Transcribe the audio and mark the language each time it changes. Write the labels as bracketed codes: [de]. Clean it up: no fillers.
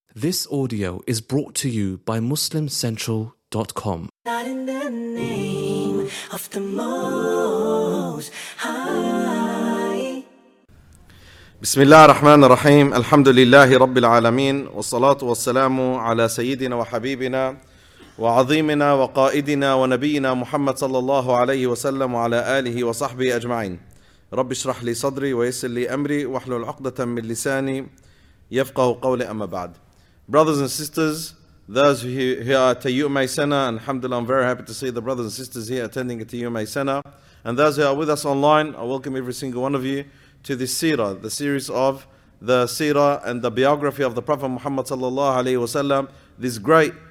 [en] This audio is brought to you by MuslimCentral.com. Not in the name of the Most High. [ar] بسم الله الرحمن الرحيم الحمد لله رب العالمين والصلاة والسلام على سيدنا وحبيبنا وعظيمنا وقائدنا ونبينا محمد صلى الله عليه وسلم وعلى آله وصحبه أجمعين رب اشرح لي صدري ويسر لي أمري واحلل عقدة من لساني يفقه قولي أما بعد. [en] Brothers and sisters, those who are at Tayyum Aysana, and alhamdulillah, I'm very happy to see the brothers and sisters here attending at Tayyum Aysana. And those who are with us online, I welcome every single one of you to this seerah, the series of the seerah and the biography of the Prophet Muhammad sallallahu alayhi wa sallam, this great